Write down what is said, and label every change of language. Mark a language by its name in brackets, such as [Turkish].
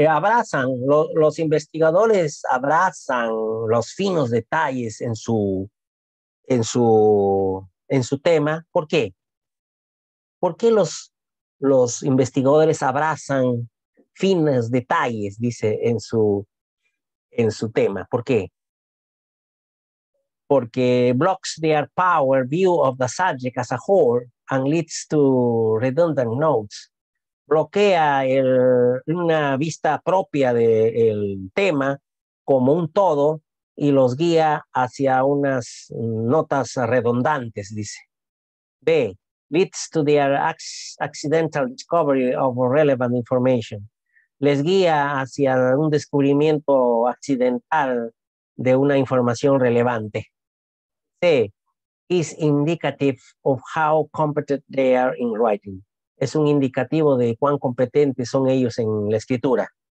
[Spanish] Abrazan, los investigadores abrazan los finos detalles en su tema. ¿Por qué? ¿Por qué los investigadores abrazan finos detalles, dice, en su tema? ¿Por qué? Porque [English] blocks their power view of the subject as a whole and leads to redundant notes. [Spanish] Bloquea una vista propia del tema como un todo y los guía hacia unas notas redundantes, dice. [English] B, leads to their accidental discovery of relevant information. [Spanish] Les guía hacia un descubrimiento accidental de una información relevante. [English] C, is indicative of how competent they are in writing. [Spanish] Es un indicativo de cuán competentes son ellos en la escritura.